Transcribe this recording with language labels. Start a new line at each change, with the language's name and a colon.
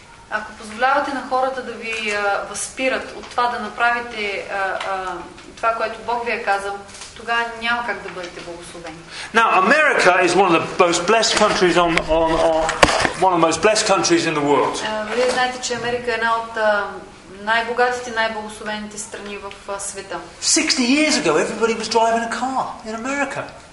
Bulgarian: ако позволявате на хората да ви възпират от това да направите това, което Бог ви е казал, тогава няма как да бъдете благословени.
English: Now, America is one of the most blessed countries on one of the most blessed countries in the world.
Bulgarian: Вие знаете, че Америка е една от най-богатите, най-благословените страни в света.
English: 60 years ago, everybody was driving a car in America.